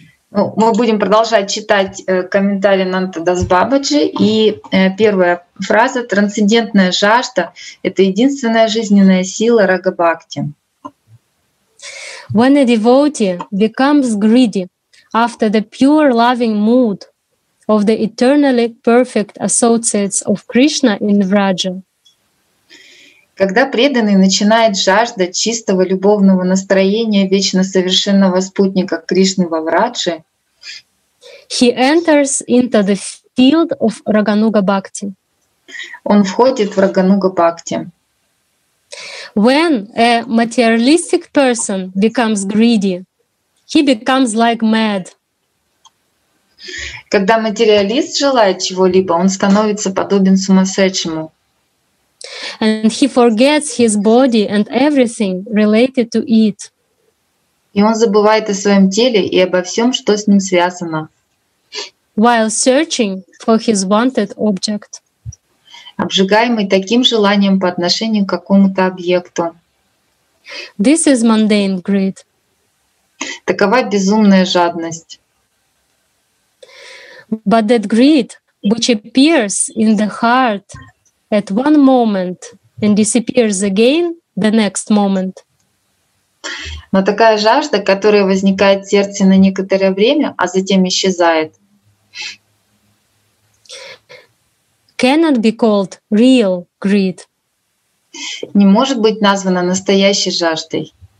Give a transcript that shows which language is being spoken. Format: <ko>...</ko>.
<ru>Мы будем продолжать читать комментарий Ананта Дас Бабаджи. И первая фраза — трансцендентная жажда — это единственная жизненная сила Рага Бхакти.</ru> <en>When a devotee becomes greedy after the pure loving mood of the eternally perfect associates of Krishna in Vraja,</en> <ru>когда преданный начинает жаждать чистого любовного настроения вечно совершенного спутника Кришны во Врадже,</ru> <en>he enters into the field of Рагануга Бхакти.</en> <ru>Он входит в Рагануга Бхакти.</ru> <en>When a materialistic person becomes greedy, he becomes like mad.</en> <ru>Когда материалист желает чего-либо, он становится подобен сумасшедшему.</ru> <en>And he forgets his body and everything related to it.</en> <ru>И он забывает о своем теле и обо всем, что с ним связано.</ru> <en>While searching for his wanted object.</en> <ru>Обжигаемый таким желанием по отношению к какому-то объекту.</ru> <en>This is mundane greed.</en> <ru>Такова безумная жадность.</ru> <en>But that greed, which appears in the heart at one moment and disappears again the next moment.</en> <ru>Но такая жажда, которая возникает в сердце на некоторое время, а затем исчезает,</ru> <en>cannot be called real greed.</en> <ru>Не может быть названа настоящей жаждой.</ru>